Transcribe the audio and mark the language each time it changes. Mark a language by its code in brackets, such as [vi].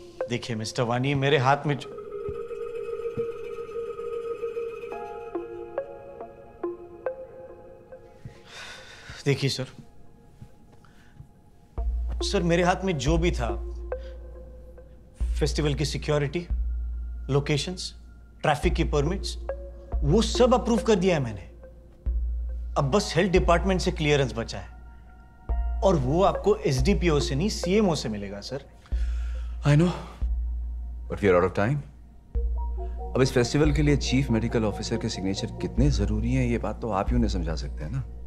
[hi] देखिए मिस्टर वानी, मेरे हाथ में देखिए सर, सर मेरे हाथ में जो भी था, फेस्टिवल की सिक्योरिटी, लोकेशंस, ट्रैफिक की परमिट्स, वो सब अप्रूव कर दिया है मैंने। अब बस हेल्थ डिपार्टमेंट से क्लियरेंस बचा है, और वो आपको SDPO से नहीं CMO से मिलेगा sir. [en] I know But we are out of time. [hi] अब इस फेस्टिवल के लिए चीफ मेडिकल ऑफिसर के सिग्नेचर कितने जरूरी हैं, ये बात तो आप ही उन्हें समझा सकते हैं ना?